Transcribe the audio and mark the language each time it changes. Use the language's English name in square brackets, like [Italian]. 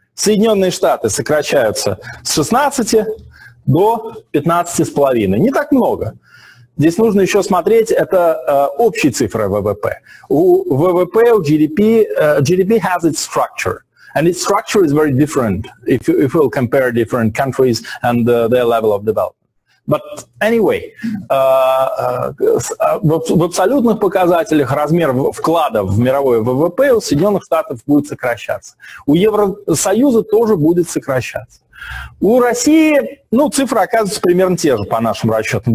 [Russian] Соединенные Штаты сокращаются с 16 до 15,5. Не так много. Здесь нужно еще смотреть, это общие цифры ВВП. У ВВП, у [English] GDP, GDP has its structure. And its structure is very different if we'll compare different countries and their level of development. But anyway, [Russian] в абсолютных показателях размер вклада в мировой ВВП у Соединенных Штатов будет сокращаться. У Евросоюза тоже будет сокращаться. У России, ну, цифры оказываются примерно те же по нашим расчетам.